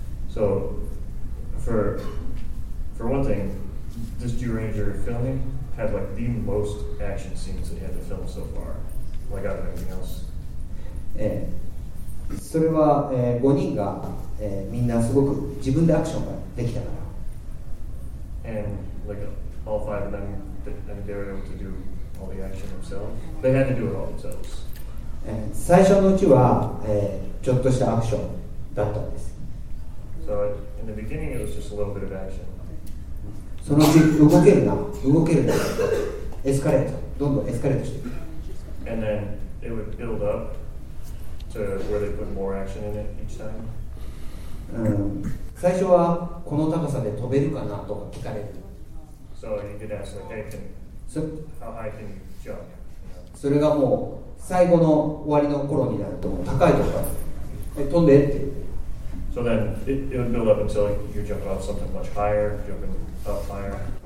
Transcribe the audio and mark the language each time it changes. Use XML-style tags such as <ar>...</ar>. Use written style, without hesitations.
<en>So, for one thing, this Jew Ranger filming had like the most action scenes they had to film so far, like out of anything else.</en> <ja>それは、5人が、みんなすごく自分でアクションができたから。</ja> <en>And like all five of them, they were able to do all the action themselves. They had to do it all themselves.</en> <ja>最初のうちは、ちょっとしたアクションだったんです。</ja> <en>So in the beginning it was just a little bit of action.</en> <ja>そのうち動けるな、エスカレート、どんどんエスカレートしていく。</ja> <en>And then it would build up. To where they put more action in it each time.</en> <ja>最初はこの高さで飛べるかなとか聞かれる。</ja> <en>So you did ask like, hey, how high can you jump?</en> <ja>それがもう最後の終わりの頃になると高いとか、飛んでって。</ja> <en>So then it would build up until you're jumping off something much higher, jumping up higher.</en>